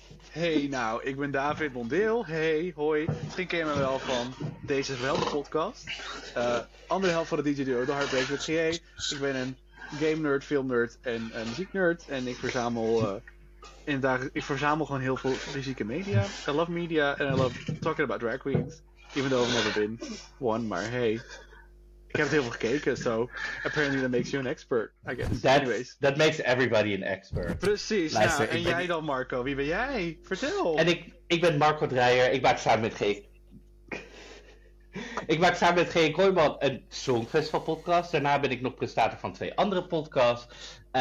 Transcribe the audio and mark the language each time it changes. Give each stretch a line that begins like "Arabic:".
Dutch: Hey, nou, ik ben David Mondeel. Hey, hoi. Misschien ken je me wel van deze geweldige podcast. Andere helft van het DJ-duo, de Heartbreaks met GA. Ik ben een game-nerd, film-nerd en muziek-nerd. En ik verzamel ik verzamel gewoon heel veel fysieke media.
English: I love media and I love talking about drag queens. Even though I've never been one,
Dutch: maar hey. Ik heb het heel veel gekeken,
English: so apparently that makes you an expert, I guess. Anyways. That makes everybody an expert.
Dutch: Precies, luister, ja. En jij dan, Marco? Wie ben jij? Vertel. En ik ben Marco Dreyer. Ik maak samen met G. Kooijman een Songfestival podcast. Daarna ben ik nog presentator van 2 andere podcasts.